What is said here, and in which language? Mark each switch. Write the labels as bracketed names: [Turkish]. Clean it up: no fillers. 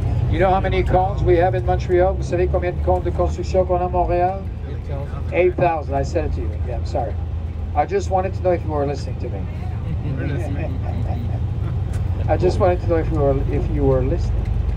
[English] You know how many cones we have in Montreal? [French] Vous savez combien de cones de construction qu'on a à Montréal? [English] 8,000. I said it to you. Yeah, I'm sorry. I just wanted to know if you were listening to me. I just wanted to know if you were listening.